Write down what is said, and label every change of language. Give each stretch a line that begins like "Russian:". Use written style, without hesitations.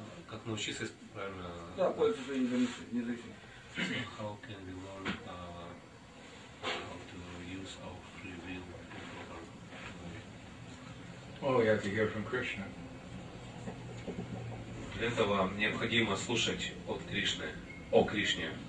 Russian: Как научиться правильно? Да, пользоваться независимостью.
English: How can we learn how to use our free will in proper way? Well, we have to hear from Krishna.
Russian: Для этого необходимо слушать от Кришны, о Кришне,